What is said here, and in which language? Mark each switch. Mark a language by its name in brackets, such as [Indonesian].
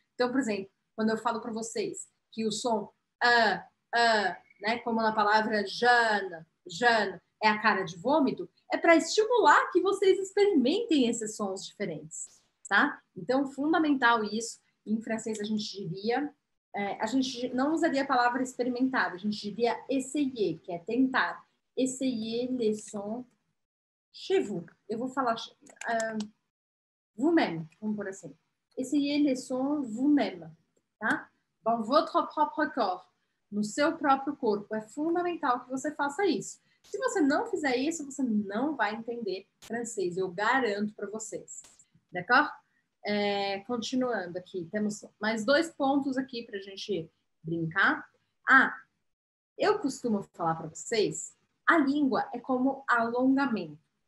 [Portuguese] Então, por exemplo, quando eu falo para vocês que o som né, como na palavra Jana, é a cara de vômito, é para estimular que vocês experimentem esses sons diferentes. Tá? Então, fundamental isso. Em francês, a gente diria... a gente não usaria a palavra experimentar. A gente diria essayer, que é tentar. [French] Essayer les sons chez vous. [Portuguese] Eu vou falar... [French] vous-même, [Portuguese] vamos por assim. [French] Essayer les sons vous-même. [Portuguese] Tá? [French] Dans votre propre corps. [Portuguese] No seu próprio corpo. É fundamental que você faça isso. Se você não fizer isso, você não vai entender francês. Eu garanto para vocês. [French] D'accord? [Portuguese] Continuando aqui, temos mais dois pontos aqui para a gente brincar. Ah, eu costumo falar para vocês, a língua é como alongamento.